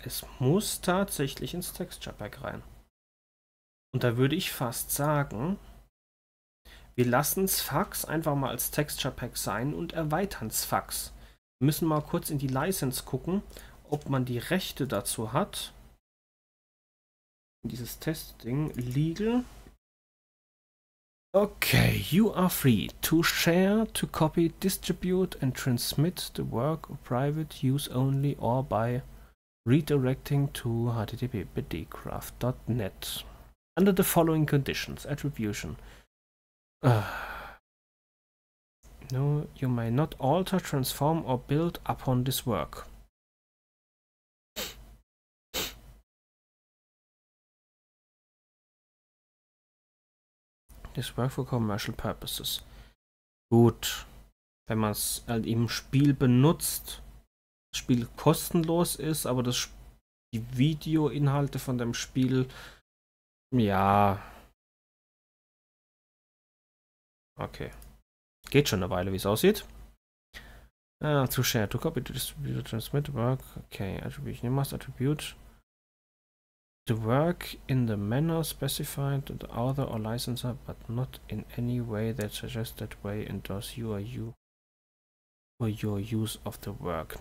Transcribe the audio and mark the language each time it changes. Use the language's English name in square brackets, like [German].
[German] Es muss tatsächlich ins Texture Pack rein. Und da würde ich fast sagen, wir lassen Sfax einfach mal als Texture Pack sein und erweitern Sfax. Wir müssen mal kurz in die License gucken, ob man die Rechte dazu hat. Dieses Testing legal. [English] Okay, you are free to share, to copy, distribute and transmit the work of private use only or by redirecting to http://bdcraft.net under the following conditions: attribution. No, you may not alter, transform or build upon this work. This work for commercial purposes. [German] Gut. Wenn man es halt im Spiel benutzt, das Spiel kostenlos ist, aber das die Videoinhalte von dem Spiel, ja. Okay. Geht schon eine Weile, wie es aussieht. [English] To share to copy to distribute to transmit work. Okay, attribution must attribute the work in the manner specified to the author or licensor, but not in any way that suggests that way endorse you or you for your use of the work.